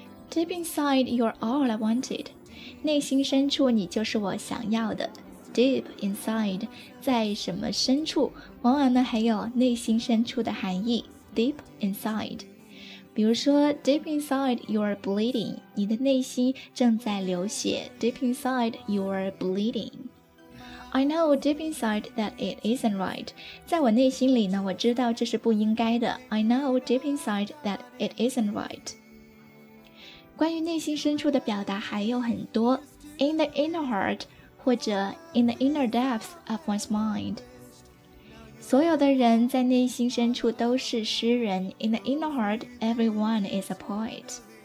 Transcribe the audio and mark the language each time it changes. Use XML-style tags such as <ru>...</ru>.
<en>Deep inside, you're all I wanted.</en> <zh>内心深处，你就是我想要的。Deep inside, 在什么深处，往往呢还有内心深处的含义。</zh> <en>Deep inside.</en> <zh>比如说</zh> <en>Deep inside, you're bleeding.</en> <zh>你的内心正在流血。</zh> <en>Deep inside, you're bleeding. I know deep inside that it isn't right.</en> <zh>在我内心里呢，我知道这是不应该的。</zh> <en>I know deep inside that it isn't right.</en> <zh>关于内心深处的表达还有很多</zh> <en>In the inner heart 或者 In the inner depths of one's mind</en> <zh>所有的人在内心深处都是诗人</zh> <en>In the inner heart, everyone is a poet</en>